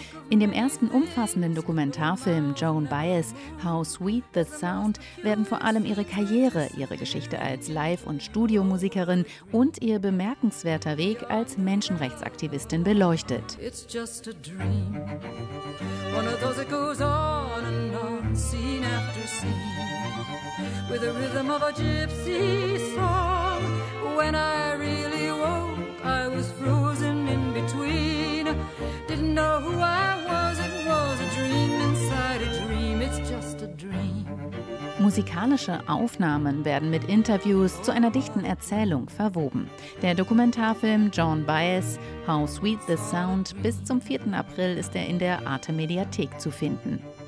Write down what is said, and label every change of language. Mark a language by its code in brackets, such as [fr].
[de] In dem ersten umfassenden Dokumentarfilm Joan Baez, How Sweet the Sound, werden vor allem ihre Karriere, ihre Geschichte als Live- und Studiomusikerin und ihr bemerkenswerter Weg als Menschenrechtsaktivistin beleuchtet. [en] It's just a dream. One of those that goes on and on, scene after scene, with the rhythm of a gypsy song. When I really woke, I was frozen in between. Didn't know who I was, it was a dream inside a dream, it's just a dream. [de] Musikalische Aufnahmen werden mit Interviews zu einer dichten Erzählung verwoben. Der Dokumentarfilm Joan Baez, How Sweet the Sound, bis zum 4. April ist er in der Arte Mediathek zu finden.